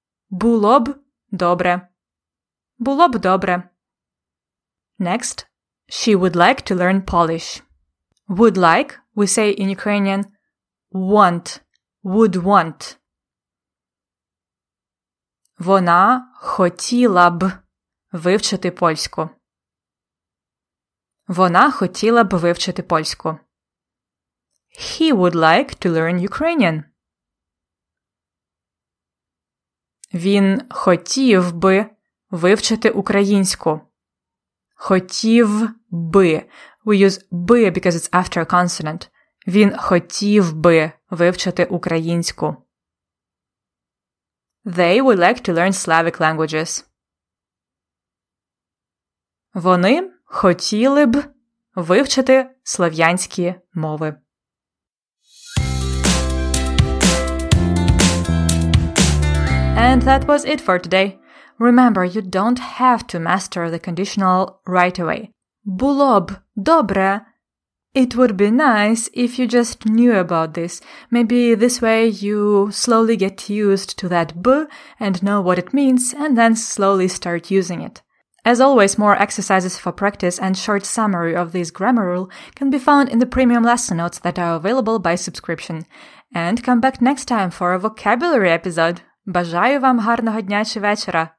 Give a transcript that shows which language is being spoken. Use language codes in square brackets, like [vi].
[uk] Було б добре. Було б добре. [en] Next, she would like to learn Polish. Would like, we say in Ukrainian, want, would want. [uk] Вона хотіла б вивчити польську. Вона хотіла б вивчити польську. [en] He would like to learn Ukrainian. [uk] Він хотів би вивчити українську. Хотів би. [en] We use би because it's after a consonant. [uk] Він хотів би вивчити українську. [en] They would like to learn Slavic languages. [uk] Вони хотіли б вивчити слов'янські мови. [en] And that was it for today. Remember, you don't have to master the conditional right away. [uk] Було б добре. [en] It would be nice if you just knew about this. Maybe this way you slowly get used to that б and know what it means and then slowly start using it. As always, more exercises for practice and short summary of this grammar rule can be found in the premium lesson notes that are available by subscription. And come back next time for a vocabulary episode. [uk] Бажаю вам гарного дня чи вечора.